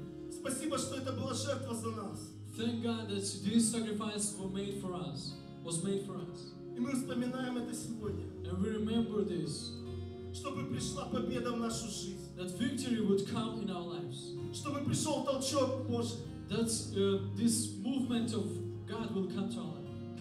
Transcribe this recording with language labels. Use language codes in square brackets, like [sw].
[ru] Спасибо, что это была жертва за нас. [en] Thank God that this sacrifice was made for us. [ru] И мы вспоминаем это сегодня. [en] And we remember this. [ru] Чтобы пришла победа в нашу жизнь. [en] That victory would come in our lives. [ru] Чтобы пришел толчок Божий. [en] That this movement of God will come to our life.